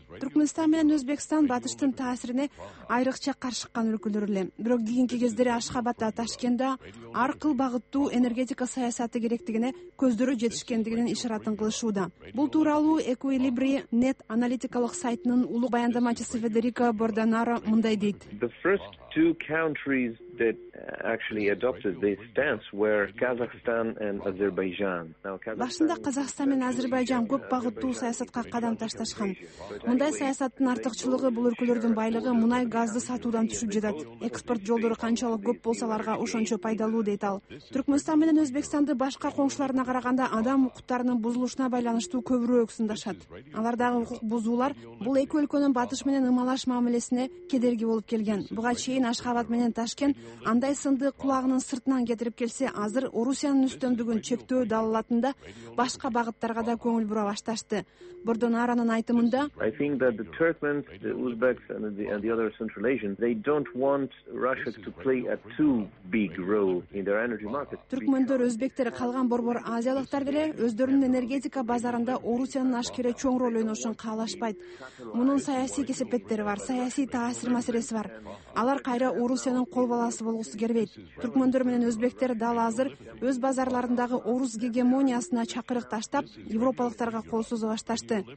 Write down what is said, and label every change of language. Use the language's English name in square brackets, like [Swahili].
[Kyrgyz] Түркмөнстан менен Өзбекстан батыштын таасирине айрыкча каршыккан өлкөлөр эле. Бирок кийинки кездери Ашхабадта, Ташкентте ар кыл багыттуу энергетика саясаты керектигине көздөрү жетишкендигинин ишаратын кылышууда. Бул тууралуу Эквилибри нет аналитикалык сайтынын улуу баяндамачысы Федерико Борданаро мындай дейт. [English] Two countries that actually adopted this stance were Kazakhstan and Azerbaijan. [Kyrgyz] Башында Казакстан менен Азербайжан көп багыттуу саясатка кадам ташташкан. Мындай саясаттын артыкчылыгы бул өлкөлөрдүн байлыгы мунай газды сатуудан түшүп жатат. Экспорт жолдору канчалык көп болсо аларга ошончо пайдалуу дейт ал. Түркмөнстан менен Өзбекстанды башка коңшуларына караганда адам укуктарынын бузулушуна байланыштуу көбүрөөк сындашат. Алардагы укук бузуулар бул эки өлкөнүн батыш менен ымалаш мамилесине кедерги болуп келген. Буга чейин Ашхабад менен Ташкент андай сынды кулагынын сыртынан кетирип келсе, азыр Орусиянын үстөмдүгүн чектөө далалатында башка багыттарга да көңүл бура башташты. Бордонаранын айтымында [English] I think that the Turkmens, the Uzbeks and the other Central Asians, they don't want Russia to play a too big role in their energy market. [Kyrgyz] Түркмөндөр, өзбектер, калган борбор азиялыктар деле өздөрүнүн энергетика базарында Орусиянын ашкере чоң роль ойношун каалашпайт. Мунун саясий кесепеттери бар, саясий таасир маселеси бар. Алар кайра Орусиянын кол баласы болгусу келбейт. Түркмөндөр менен өзбектер дал азыр өз базарларындагы орус гегемониясына чакырык таштап, европалыктарга кол созо башташты.